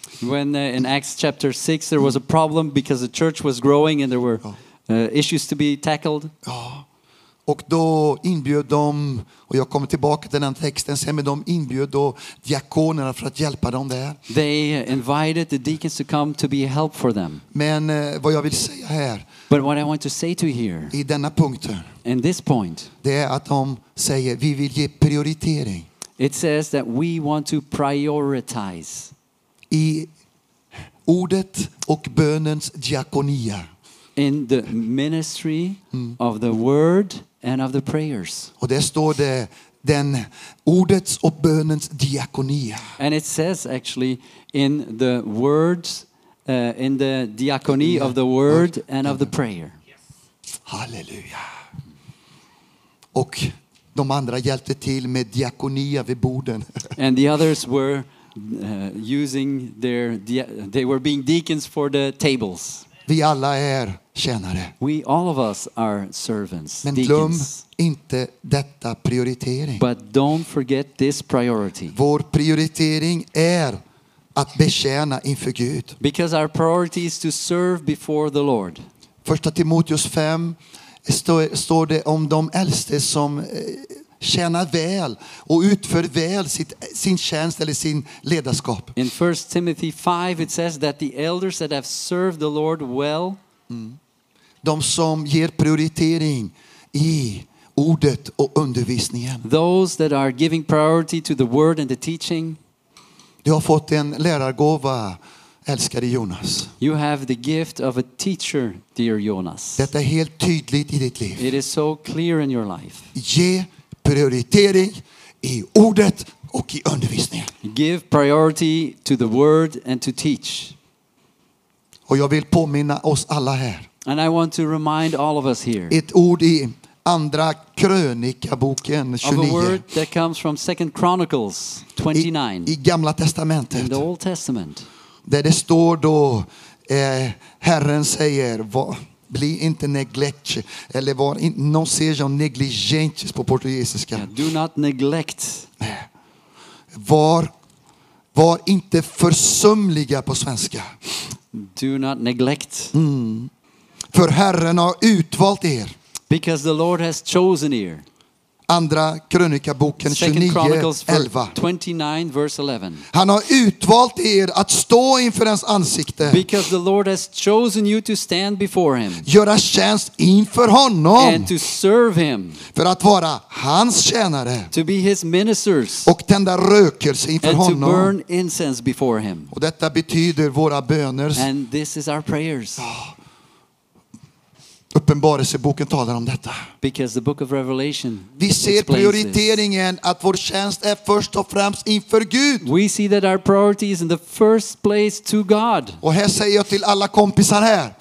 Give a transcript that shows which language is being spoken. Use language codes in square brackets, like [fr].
[en] When in Acts chapter 6 there was a problem because the church was growing and there were issues to be tackled. [sv] Ja. Och då inbjöd de, och jag kommer tillbaka till den texten sen, med de inbjöd då diakonerna för att hjälpa dem där. [en] They invited the deacons to come to be help for them. [sv] Men vad jag vill säga här, [en] but what I want to say to here, [sv] i denna punkten, [en] in this point, [sv] det är att de säger vi vill ge prioritering. [en] It says that we want to prioritize. [sv] I ordet och bönens diakonia. [en] In the ministry of the word and of the prayers. [sv] Och där står det den ordets och bönens diakonia. [en] And it says actually in the words, in the diakoni of the word and of the prayer. [sv] Halleluja. Och de andra hjälpte till med diakonia vid borden. [en] And the others were using their, they were being deacons for the tables. [sv] Vi alla är tjänare. [en] We all of us are servants. [sv] Men [en] deacons. [sv] Glöm inte detta prioritering. [en] But don't forget this priority. [sv] Vår prioritering är att betjäna inför Gud. [en] Because our priority is to serve before the Lord. [sv] Första Timoteus 5 står det om de äldste som tjänar väl och utför väl sin tjänst eller sin ledarskap. [en] In 1 Timothy 5 it says that the elders that have served the Lord well. [sv] De som ger prioritering i ordet och undervisningen. [en] Those that are giving priority to the word and the teaching. [sv] Du har fått en lärargåva, älskade Jonas. [en] You have the gift of a teacher, dear Jonas. [sv] Detta är helt tydligt i ditt liv. [en] It is so clear in your life. [sv] Ge prioritering i ordet och i undervisningen. [en] Give priority to the word and to teach. [sv] Och jag vill påminna oss alla här. [en] And I want to remind all of us here. [sv] Ett ord i andra krönikaboken 29. [en] Of a word that comes from 2 Chronicles 29. [sv] I gamla testamentet. [en] In the Old Testament. [sv] Där det står då Herren säger, bli inte neglect, eller var [pt] non seja negligent [sv] på portugisiska. [en] Yeah, do not neglect. [sv] Var inte försumliga på svenska. [en] Do not neglect. [sv] För Herren har utvalt er. [en] Because the Lord has chosen you. [sv] Andra krönikaboken 29:11. Han har utvalt er att stå inför hans ansikte. [en] Because the Lord has chosen you to stand before him. [sv] Göra tjänst inför honom. [en] And to serve him. [sv] För att vara hans tjänare. [en] To be his ministers. [sv] Och tända rökelse inför honom. [en] And to burn incense before him. [sv] Och detta betyder våra böner. [en] And this is our prayers. [sv] Uppenbarelseboken talar om detta. [en] Because the book of Revelation. [sv] Vi ser prioriteringen att vår tjänst är först och främst inför Gud. [en] We see that our priority is in the first place to God. [sv] Och här säger jag till alla kompisar här.